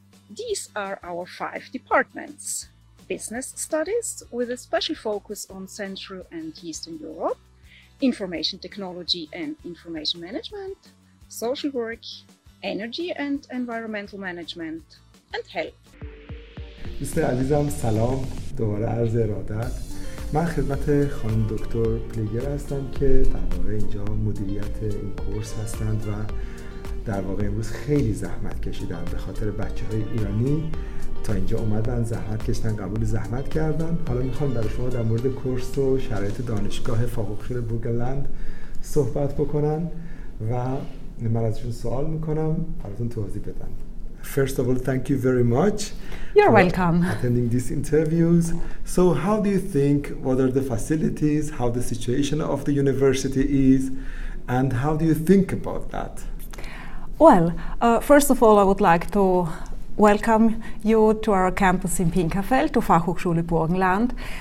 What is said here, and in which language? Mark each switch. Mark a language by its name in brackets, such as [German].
[English] These are our 5 departments: business studies with a special focus on Central and Eastern Europe, information technology and information management, social work, energy and environmental management and health. [Persian] دوست عزیزم سلام، دوباره عرض ارادت. من خدمت خانم دکتر پلیگر هستم که در واقع اینجا مدیریت این کورس هستند و در واقع امروز خیلی زحمت کشیدن به خاطر بچه های ایرانی تا اینجا اومدن، زحمت کشیدن، قبول زحمت کردن. حالا میخوام برای شما در مورد کورس و شرایط دانشگاه فاخوخشوله بورگنلند صحبت بکنم و من ازشون سوال میکنم، براتون توضیح بدن. [English] First of all, thank you very much. You're welcome. Attending these interviews. So how do you think, what are the facilities, how the situation of the university is, and how do you think about that? Well, first of all, I would like to welcome you to our campus in Pinkafeld, to Fachhochschule Burgenland.